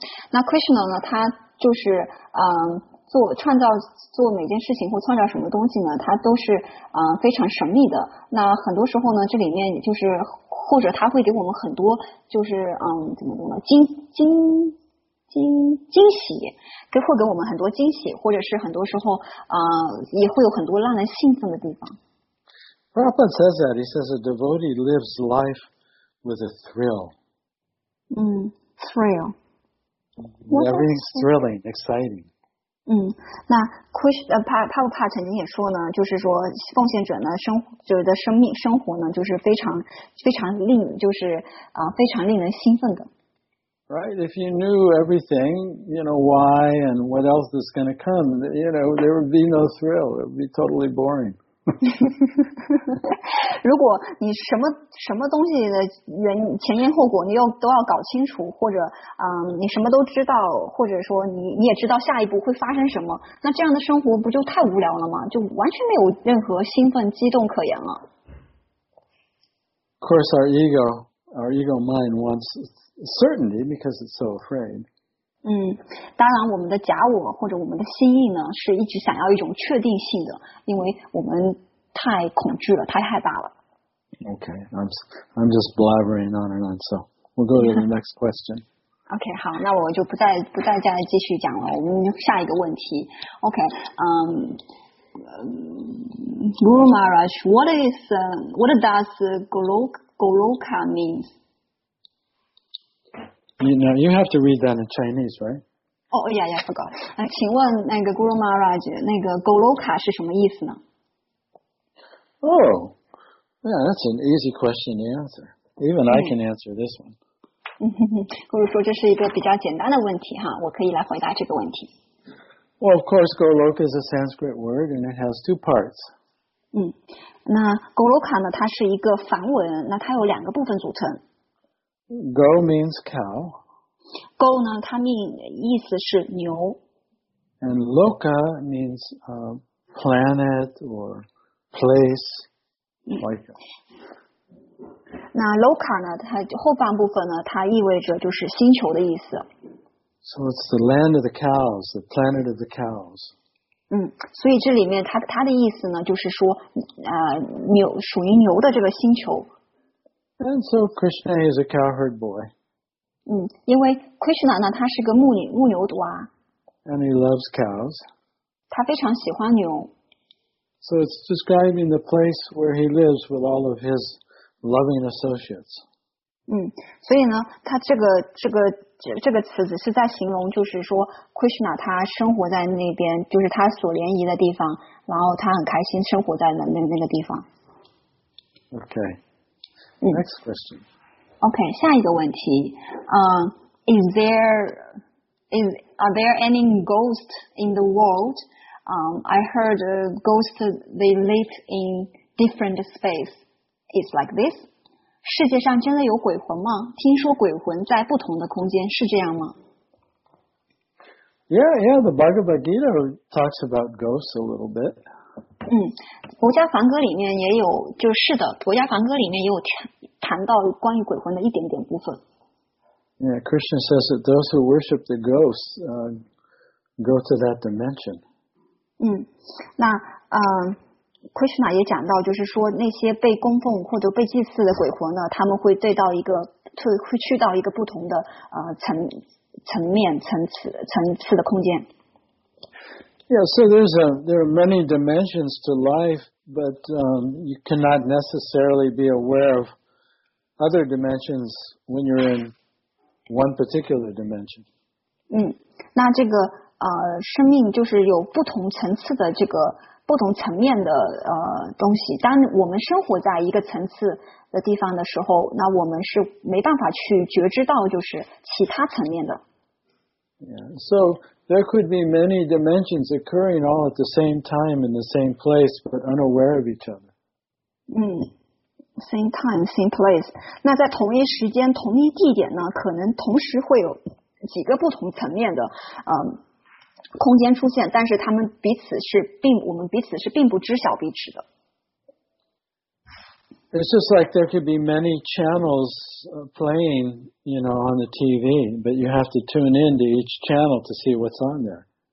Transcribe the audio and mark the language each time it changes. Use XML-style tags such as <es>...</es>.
<zh>那 Krishna 呢，他就是做创造做每件事情或创造什么东西呢，它都是非常神秘的。那很多时候呢，这里面就是或者它会给我们很多就是怎么说呢，惊喜，给会给我们很多惊喜，或者是很多时候也会有很多让人兴奋的地方。</zh> <en>Prabhupada says that he says a devotee lives life with a thrill. Thrill. Everything's thrilling, exciting.</en> <zh>那 Prabhupada 曾经也说呢，就是说奉献者呢生活呢，就是非常令人兴奋的。</zh> <en>Right, if you knew everything, you know why and what else is going to come, you know there would be no thrill. It would be totally boring.</en> <zh>如果你什么东西的前因后果你都要搞清楚，或者你什么都知道，或者说你也知道下一步会发生什么，那这样的生活不就太无聊了吗？就完全没有任何兴奋激动可言了。</zh> <en>Of course, our ego mind wants certainty because it's so afraid.</en> <zh>当然我们的假我或者我们的心意呢，是一直想要一种确定性的，因为我们太恐惧了，太害怕了。</zh> <en>Okay, I'm just blabbering on and on, so we'll go to the next question.</en> <zh>Okay, 好，那我就不再再继续讲了，我们下一个问题。</zh> <en>Okay, Guru Maharaj, what does Goloka mean? You have to read that in Chinese, right? Yeah, I forgot.</en> <zh>请问那个 Guru Maharaj, 那个 Goloka 是什么意思呢？</zh> <en>Oh, yeah, that's an easy question to answer. Even I can answer this one.</en> <zh>或者说这是一个比较简单的问题哈，我可以来回答这个问题。</zh> <en>Well, of course, Goloka is a Sanskrit word, and it has two parts.</en> <zh>那 Goloka 呢，它是一个梵文，那它有两个部分组成。</zh> <en>Go means cow.</en> <zh>Go 呢，它意思是牛。</zh> <en>And Loka means planet or place like that.</en> <zh>那 loka 呢？它后半部分呢？它意味着就是星球的意思。</zh> <en>So it's the land of the cows, the planet of the cows.</en> <zh>嗯，所以这里面它的意思呢，就是说，牛属于牛的这个星球。</zh> <en>And so Krishna is a cowherd boy.</en> <zh>嗯，因为 Krishna 呢，他是个牧牛犊啊。</zh> <en>And he loves cows.</en> <zh>他非常喜欢牛。</zh> <en>So it's describing the place where he lives with all of his loving associates.</en> <zh>嗯，所以呢，他这个词子是在形容，就是说 Krishna 他生活在那边，就是他所联谊的地方，然后他很开心生活在那个地方。</zh> <en>Okay. Next question. Okay,</en> <zh>下一个问题。</zh> <en>Are there any ghosts in the world? I heard ghosts they live in different space. It's like this.</en> <zh>世界上真的有鬼魂吗？听说鬼魂在不同的空间，是这样吗？</zh> <en>Yeah, yeah, the Bhagavad Gita talks about ghosts a little bit.</en> <zh>嗯，佛家梵歌里面也有，就是的，佛家梵歌里面也有谈到关于鬼魂的一点点部分。</zh> <en>Yeah, Krishna says that those who worship the ghosts, go to that dimension.</en> <zh>嗯，那Krishna 也讲到，就是说那些被供奉或者被祭祀的鬼魂呢，他们会对到一个，会去到一个不同的层面层次的空间。</zh> <en>Yeah, so there are many dimensions to life, but you cannot necessarily be aware of other dimensions when you're in one particular dimension.</en> <zh>嗯，那这个生命就是有不同层次的这个。不同层面的东西，当我们生活在一个层次的地方的时候，那我们是没办法去觉知到就是其他层面的。</zh> <en>Yeah, so there could be many dimensions occurring all at the same time in the same place, but unaware of each other. 嗯 ，same time, same place.</en> <zh>那在同一时间、同一地点呢，可能同时会有几个不同层面的，空间出现，但是他们彼此是并我们彼此是并不知晓彼此的。</zh> <en>It's just like there could be many channels playing, you know, on the TV, but you have to tune in to each channel to see what's on there.</en>